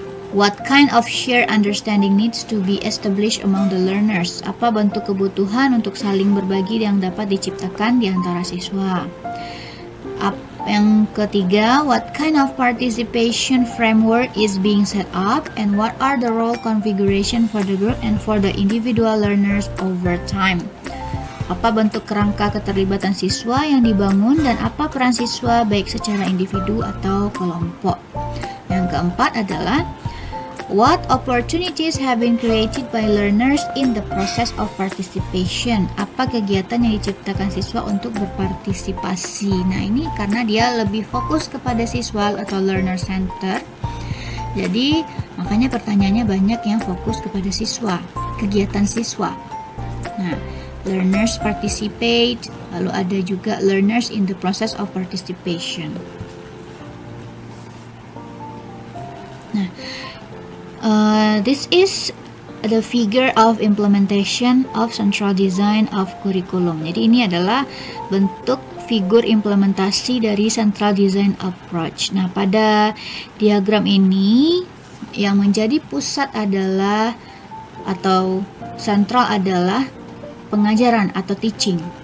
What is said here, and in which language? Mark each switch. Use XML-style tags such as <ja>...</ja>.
<en>What kind of shared understanding needs to be established among the learners?</en> <id>Apa bentuk kebutuhan untuk saling berbagi yang dapat diciptakan di antara siswa? Yang ketiga,</id> <en>what kind of participation framework is being set up and what are the role configuration for the group and for the individual learners over time?</en> <id>Apa bentuk kerangka keterlibatan siswa yang dibangun dan apa peran siswa baik secara individu atau kelompok? Yang keempat adalah,</id> <en>what opportunities have been created by learners in the process of participation?</en> <id>Apa kegiatan yang diciptakan siswa untuk berpartisipasi? Nah, ini karena dia lebih fokus kepada siswa atau learner center. Jadi, makanya pertanyaannya banyak yang fokus kepada siswa, kegiatan siswa.</id> <en>Nah, learners participate,</en> <id>lalu ada juga</id> <en>learners in the process of participation. Nah, this is the figure of implementation of central design of curriculum.</en> <id>Jadi ini adalah bentuk figur implementasi dari central design approach. Nah, pada diagram ini yang menjadi pusat adalah atau sentral adalah pengajaran atau teaching.</id>